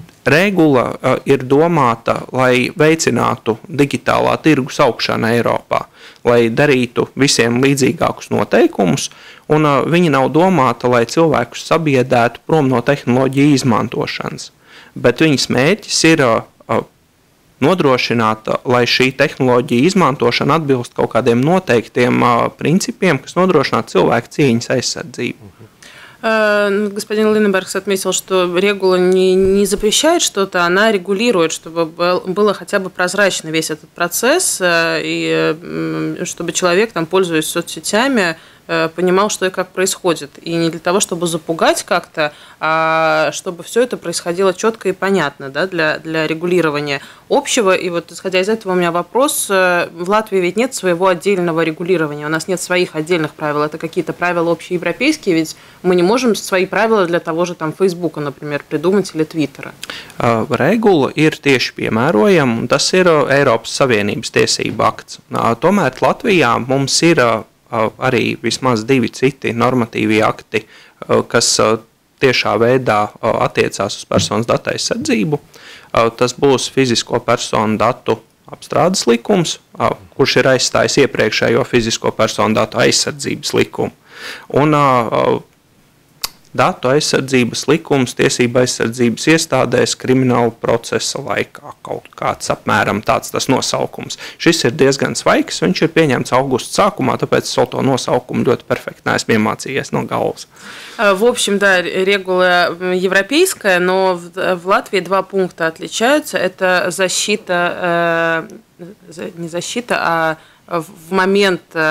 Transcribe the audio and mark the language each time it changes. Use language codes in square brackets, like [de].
[lv] Regula ir domāta, lai veicinātu digitālā tirgus augšanu Eiropā, lai darītu visiem līdzīgākus noteikumus, un viņa nav domāta, lai cilvēkus sabiedētu prom no tehnoloģiju izmantošanas. Bet viņas mērķis ir nodrošināt, lai šī tehnoloģija izmantošana atbilst kaut kādiem noteiktiem principiem, kas nodrošinātu cilvēku cieņas aizsardzību. [ru] Господин Линнебергс отметил, что регула не запрещает что-то, она регулирует, чтобы было хотя бы прозрачно весь этот процесс, и чтобы человек, там, пользуясь соцсетями, понимал, что и как происходит. И не для того, чтобы запугать как-то, а чтобы все это происходило четко и понятно, да, для регулирования общего. И вот, исходя из этого, у меня вопрос. В Латвии ведь нет своего отдельного регулирования. У нас нет своих отдельных правил. Это какие-то правила общеевропейские, ведь мы не можем свои правила для того же там Фейсбука, например, придумать или Твиттера. [lv] Регула ir tieši piemērojama. Tas ir Eiropas Savienības tiesība akts. Tomēr Latvijā mums ir arī vismaz divi citi normatīvi akti, kas tiešā veidā attiecās uz personas datu aizsardzību. Tas būs fizisko personu datu apstrādes likums, kurš ir aizstājis iepriekšējo fizisko personu datu aizsardzības likumu. Un datu aizsardzības likums tiesība aizsardzības iestādēs krimināla procesa laikā. Kaut kāds apmēram tāds tas nosaukums. Šis ir diezgan svaigs, viņš ir pieņemts augusta sākumā, tāpēc es vēl to nosaukumu ļoti perfekti neesmu iemācījies no galvas. [ru] В общем, да, регула европейская, но в Латвии два пункта отличаются. Это защита, не защита, а в момент...